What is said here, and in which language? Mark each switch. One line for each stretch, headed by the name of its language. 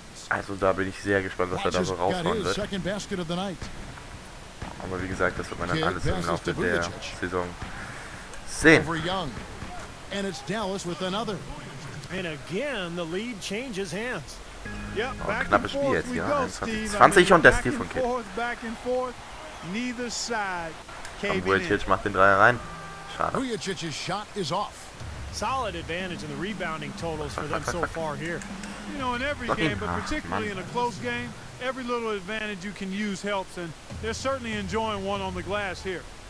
German: Also da bin ich sehr gespannt, was er da so raushauen wird. Aber wie gesagt, das wird man dann alles im Laufe der Saison sehen.
English: And it's Dallas with another. And again, the lead changes hands.
German: Yep, oh, knappes Spiel jetzt hier. 20 und der Steal von Kidd.
English: Back and forth, neither side.
German: Vujicic macht den Dreier rein. Schade.
English: Vujicic's shot is off. Solid advantage in the rebounding totals for them so far here. You know, in every game, but particularly in a close game, every little advantage you can use helps, and they're certainly enjoying one on the glass here.